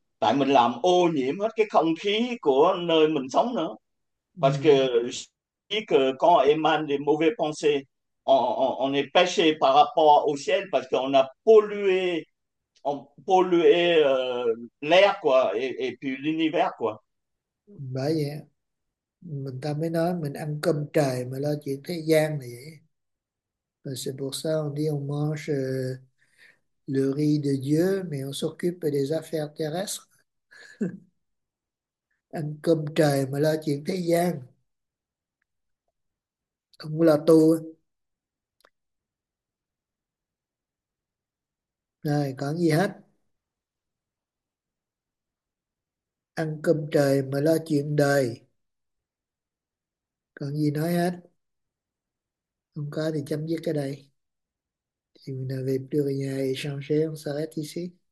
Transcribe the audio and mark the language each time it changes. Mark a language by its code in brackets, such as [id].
[vi] Tại mình làm ô nhiễm hết cái không khí của nơi mình sống nữa. [fr] Parce que quand on émane des mauvaises pensées, on est péché par rapport au ciel, parce qu'on a pollué l'air quoi, et puis l'univers quoi. [vi] Bởi vậy mình ta mới nói mình ăn cơm trời mà lo chuyện thế gian này vậy. [fr] C'est pour ça on dit on mange le riz de Dieu mais on s'occupe des affaires terrestres. [vi] Ăn cơm trời mà lo chuyện thế gian, không lo tu. Rồi còn gì hết, ăn cơm trời mà lo chuyện đời, còn gì nói hết. Không có thì chấm dứt ở đây. [fr] Si vous n'avez plus rien à échanger, on s'arrête ici.